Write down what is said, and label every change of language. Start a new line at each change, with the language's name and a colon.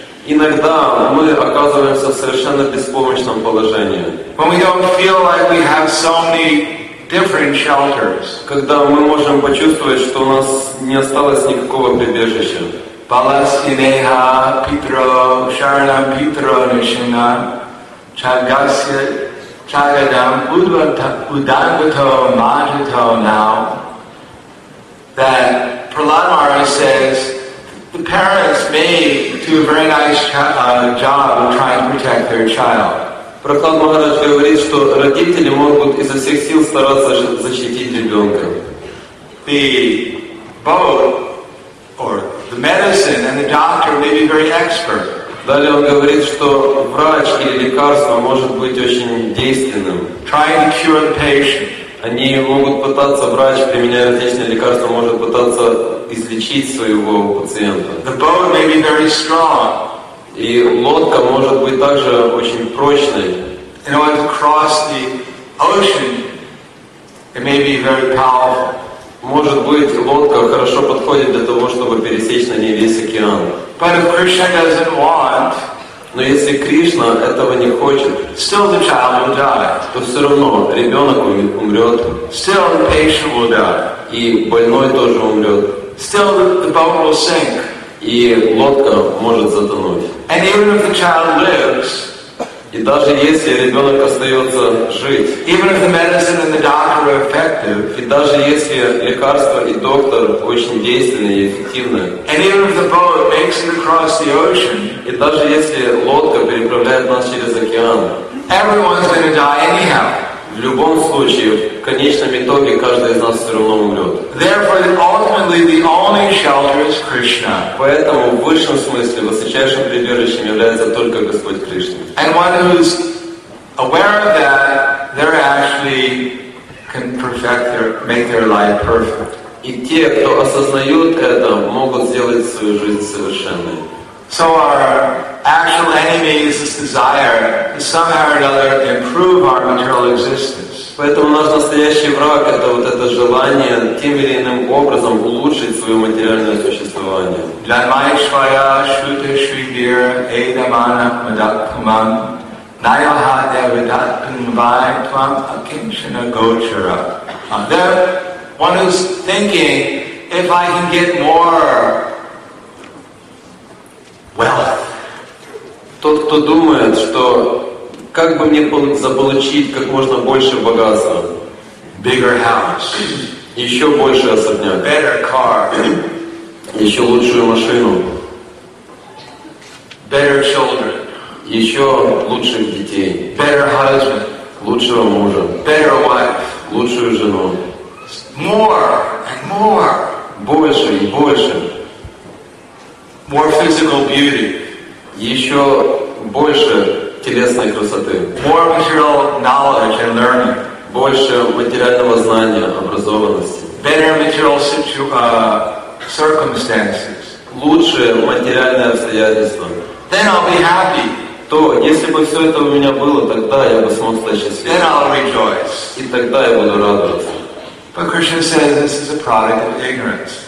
Russian: Иногда мы оказываемся в совершенно беспомощном положении.
English: When we don't feel like we have so many different shelters.
Russian: Когда мы можем почувствовать, что у нас не осталось никакого прибежища.
Sanskrit: Паласинеха Питро, Шарнам Питро, Нишина, Чагасе, Чагадам, Удангато, Маджато, Нау.
English: That Prahlad Maharaj says, the parents may do a very nice job of trying to protect their child.
Russian: Прохлад Махарадж говорит, что родители могут изо всех сил стараться защитить ребенка.
English: The boat, or the medicine and the doctor may be very expert.
Russian: Далее он говорит, что врач или лекарство может быть очень действенным.
English: Trying to cure the patient.
Russian: Они могут пытаться, врач, применяя различные лекарства, может пытаться излечить своего пациента.
English: The boat may be very strong.
Russian: И лодка может быть также очень прочной.
English: In order to cross the ocean, it may be very powerful.
Russian: Может быть, лодка хорошо подходит для того, чтобы пересечь на ней весь океан.
English: But if Krishna doesn't want,
Russian: но если Кришна этого не хочет,
English: still the child will die.
Russian: То все равно ребенок умрет.
English: Still the patient will die.
Russian: И больной тоже умрет.
English: Still the boat will sink.
Russian: И лодка может затонуть.
English: And even if the child lives,
Russian: и даже если ребенок остается жить,
English: even if the medicine and the doctor are effective,
Russian: и даже если лекарство и доктор очень действенны и эффективны,
English: and even if the boat makes it across the ocean,
Russian: и даже если лодка переправляет нас через океан,
English: everyone's gonna die anyhow.
Russian: В любом случае, в конечном итоге каждый из нас все равно умрет.
English: Therefore, ultimately, the only shelter is Krishna.
Russian: Поэтому в высшем смысле высочайшим прибежищем является только Господь Кришна.
English: And one who's aware of that, they're actually can perfect their, make their life perfect.
Russian: И те, кто осознают это, могут сделать свою жизнь совершенной.
English: So our actual enemy is this desire to somehow or another improve our material existence.
Russian: Поэтому наш настоящий враг это вот это желание тем или иным образом улучшить свое материальное существование.
Sanskrit: Dhammaishvaya shuta shrivir edamana madakumam nayaha devadatum vayatvam akinshana gochara.
English: Then one who's thinking, if I can get more wealth.
Russian: Тот, кто думает, что как бы мне заполучить как можно больше богатства.
English: Bigger house.
Russian: Еще больше особняк.
English: Better car.
Russian: Еще лучшую машину.
English: Better children.
Russian: Еще лучших детей.
English: Better husband.
Russian: Лучшего мужа.
English: Better wife.
Russian: Лучшую жену.
English: More and more.
Russian: Больше и больше.
English: More physical beauty.
Russian: Еще больше телесной красоты.
English: More material knowledge and learning.
Russian: Больше материального знания, образованности.
English: Better material circumstances.
Russian: Лучшие материальные обстоятельства.
English: Then I'll be happy.
Russian: То, если бы все это у меня было, тогда я бы смог стать счастливым.
English: Then I'll rejoice.
Russian: И тогда я буду радоваться.
English: But Krishna says this is a product of ignorance.